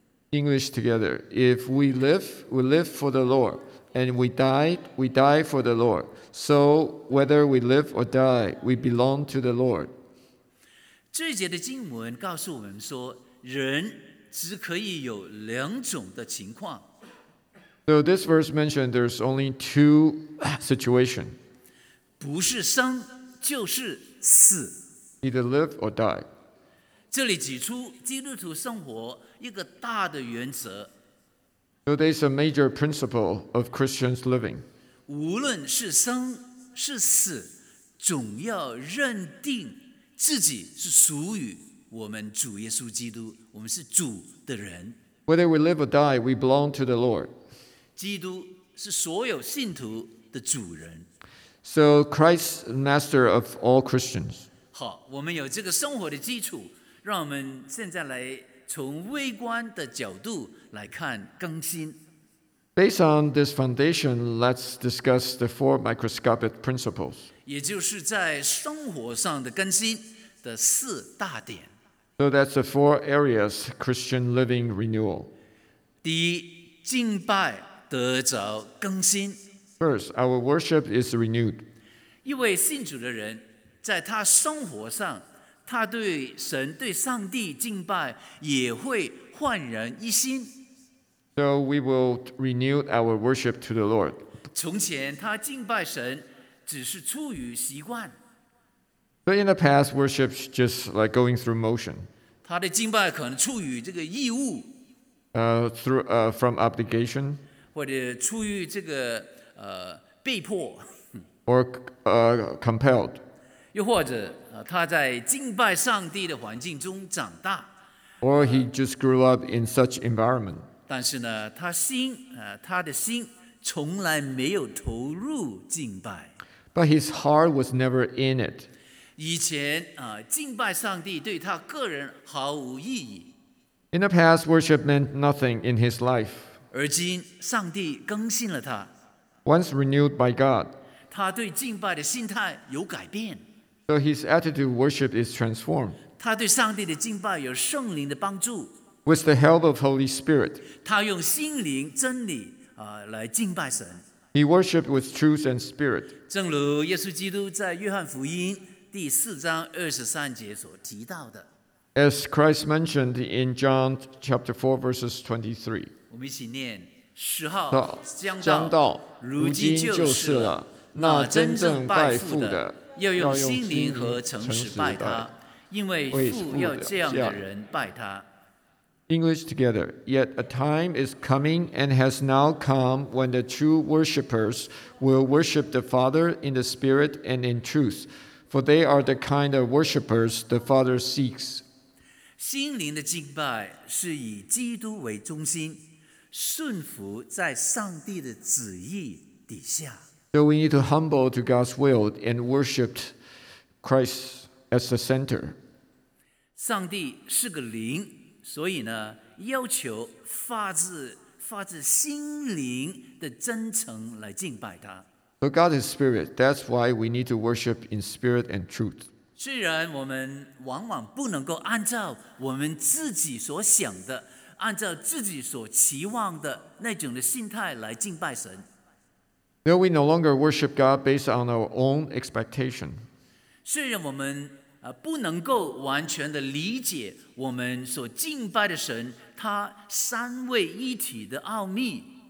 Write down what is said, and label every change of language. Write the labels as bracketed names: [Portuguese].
[English] English together. If we live, we live for the Lord. And we die for the Lord. So, whether we live or die, we belong to the Lord. [Chinese] 这节的经文告诉我们说，人只可以有两种的情况。 [English] So this verse mentioned there's only two situations. [Chinese] 不是生就是死。 [English] Either live or die. [Chinese] 这里举出基督徒生活一个大的原则。 [English] So there's a major principle of Christians living. [Chinese] 无论是生是死，总要认定自己是属于我们主耶稣基督，我们是主的人。 [English] Whether we live or die, we belong to the Lord. [Chinese] 基督是所有信徒的主人。 [English] So Christ, master of all Christians. [Chinese] 好，我们有这个生活的基础，让我们现在来从微观的角度来看更新。 [English] Based on this foundation, let's discuss the four microscopic principles. [Chinese] 也就是在生活上的更新的四大点。 [English] So that's the four areas Christian living renewal. [Chinese] 第一，敬拜。得着更新。 [English] First, our worship is renewed. [Chinese] 一位信主的人，在他生活上，他对神、对上帝敬拜也会焕然一新。 [English] So we will renew our worship to the Lord. [Chinese] 从前他敬拜神只是出于习惯。 [English] But in the past, worship's just like going through motion. [Chinese] 他的敬拜可能出于这个义务。 [English] From obligation. [Chinese] 或者出于这个被迫。 [English] Or compelled. [Chinese] 又或者他在敬拜上帝的环境中长大。 [English] Or he just grew up in such environment. [Chinese] 但是呢，他的心从来没有投入敬拜。 [English] But his heart was never in it. [Chinese] 以前敬拜上帝对他个人毫无意义。 [English] In the past, worship meant nothing in his life. [Chinese] 而今，上帝更新了他。 [English] Once renewed by God. [Chinese] 他对敬拜的心态有改变。 [English] So his attitude of worship is transformed. [Chinese] 他对上帝的敬拜有圣灵的帮助。 [English] With the help of Holy Spirit. [Chinese] 他用心灵真理来敬拜神。 [English] He worshipped with truth and spirit. [Chinese] 正如耶稣基督在约翰福音第四章二十三节所提到的。 [English] As Christ mentioned in John chapter 4, verses 23. [Chinese] 我们一起念，时候将到，如今就是了。那真正拜父的，要用心灵和诚实拜他，因为父要这样的人拜他。 [English] English together. Yet a time is coming and has now come when the true worshippers will worship the Father in the Spirit and in truth, for they are the kind of worshippers the Father seeks. [Chinese] 心灵的敬拜是以基督为中心，顺服在上帝的旨意底下。 [English] So we need to humble to God's will and worship Christ as the center. [Chinese] 上帝是个灵，所以呢，要求发自心灵的真诚来敬拜他。 [English] So God is spirit. That's why we need to worship in spirit and truth. [Chinese] 虽然我们往往不能够按照我们自己所想的，按照自己所期望的那种的心态来敬拜神。 [English] No, we no longer worship God based on our own expectation. [Chinese] 虽然我们不能够完全的理解我们所敬拜的神他三位一体的奥秘。